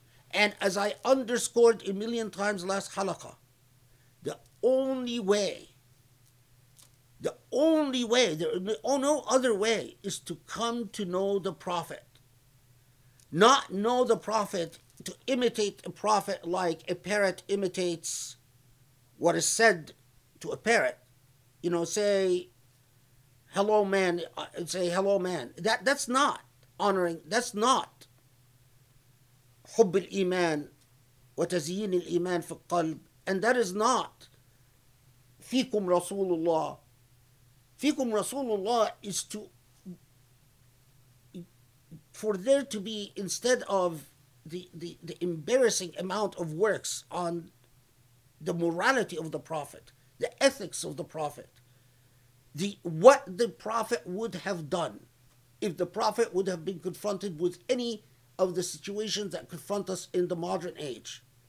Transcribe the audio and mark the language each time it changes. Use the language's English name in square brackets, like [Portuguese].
[English] And as I underscored a million times last halakha, the only way, there is no other way, is to come to know the Prophet. Not know the Prophet, to imitate a Prophet like a parrot imitates what is said to a parrot. You know, say, hello man, and say, hello man. That's not honoring, that's not [Arabic] حب الإيمان وتزيين الإيمان في القلب. [English] And that is not [Arabic] فيكم رسول الله. فيكم رسول الله [English] is to, for there to be, instead of the embarrassing amount of works on the morality of the Prophet, the ethics of the Prophet, the what the Prophet would have done if the Prophet would have been confronted with any of the situations that confront us in the modern age.